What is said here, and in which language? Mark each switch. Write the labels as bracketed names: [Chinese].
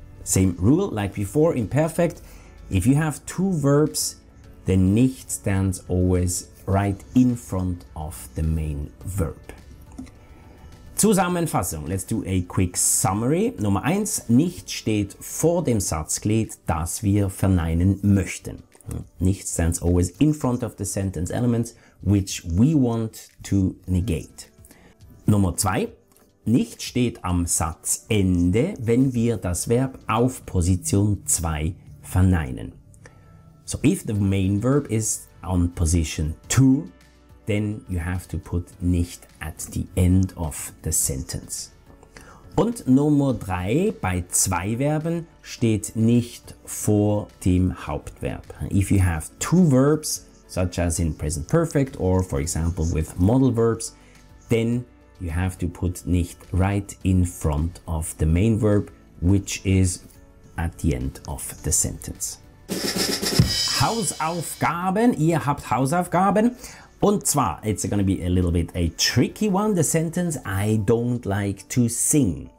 [English] Same rule like before in perfect. If you have two verbs, then nicht stands always right in front of the main verb. [German] Zusammenfassung. [English] Let's do a quick summary. [German] Nummer 1. Nicht steht vor dem Satzglied, das wir verneinen möchten. [English] Nicht stands always in front of the sentence elements, which we want to negate. [German] Nummer 2. Nicht steht am Satzende, wenn wir das Verb auf Position 2 verneinen. [English] So if the main verb is on position 2, then you have to put nicht at the end of the sentence. [German] Und Nummer 3, bei zwei Verben steht nicht vor dem Hauptverb. [English] If you have two verbs, such as in present perfect or for example with modal verbs, then you have to put nicht right in front of the main verb, which is at the end of the sentence. [German] Hausaufgaben, ihr habt Hausaufgaben. Und zwar, [English] it's gonna be a little bit a tricky one, the sentence I don't like to sing.